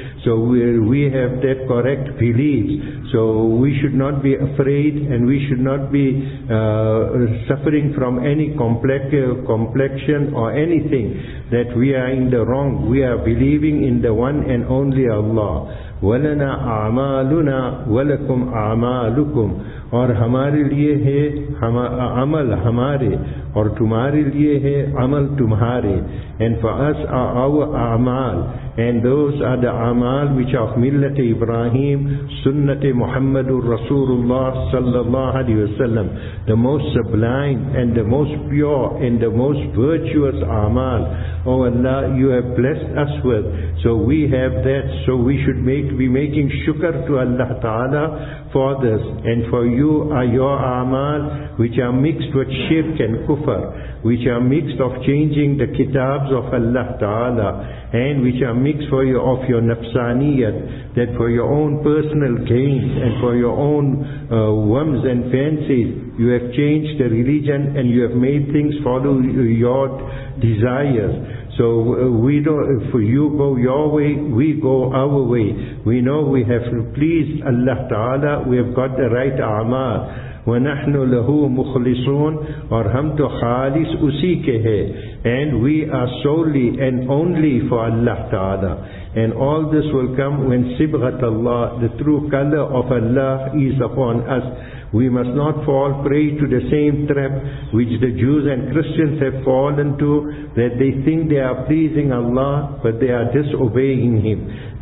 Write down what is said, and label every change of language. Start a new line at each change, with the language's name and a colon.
English: So we have that correct belief. So we should not be afraid, and we should not be suffering from any complexion or anything, that we are in the wrong. We are believing in the one and only Allah.
Arabic: وَلَنَا أَعْمَالُنَا وَلَكُمْ أَعْمَالُكُمْ,
Urdu: اور ہمارے لئے ہے عمل ہمارے اور تمہارے لئے ہے عمل تمہارے.
English: And for us are our أعمال, and those are the أعمال which are of
Arabic: ملت إبراهيم, سنت محمد رسول الله صلى الله عليه وسلم,
English: the most sublime and the most pure and the most virtuous أعمال. Oh Allah, you have blessed us with, so we have that, so we should be making shukr to Allah Ta'ala for this. And for you are your amal which are mixed with shirk and kufr, which are mixed of changing the kitabs of Allah Ta'ala, and which are mixed for you of your nafsaniyat, that for your own personal gains and for your own whims and fancies you have changed the religion and you have made things follow your desires. So we don't, for you go your way, we go our way. We know we have pleased Allah Ta'ala, we have got the right amal.
Arabic: وَنَحْنُ لَهُ مُخْلِصُونَ,
Urdu: اور ہم تو خالص اسی کے ہیں.
English: And we are solely and only for Allah Ta'ala. And all this will come when Sibghatullah, the true color of Allah, is upon us. We must not fall prey to the same trap which the Jews and Christians have fallen to, that they think they are pleasing Allah, but they are disobeying Him.